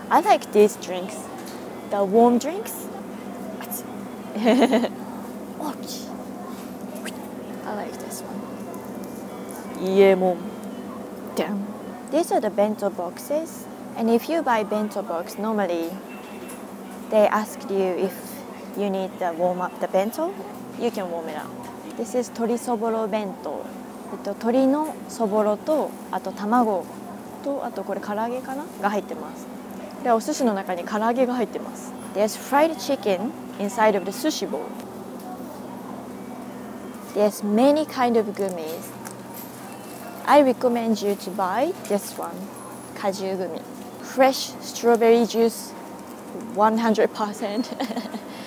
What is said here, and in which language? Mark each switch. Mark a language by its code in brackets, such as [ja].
[en] I like these drinks, the warm drinks. I like this one. Iemon. Damn. These are the bento boxes, and if you buy bento box, normally they ask you if you need to warm up the bento. You can warm it up. This is 鶏そぼろ弁当。 [ja] 鶏のそぼろと、あと卵と、あとこれ唐揚げかなが入ってます。で、お寿司の中に唐揚げが入ってます。 [en] There's fried chicken inside of the sushi bowl. There's many kind of gummies. I recommend you to buy this one, 果汁グミ。 Fresh strawberry juice, 100%.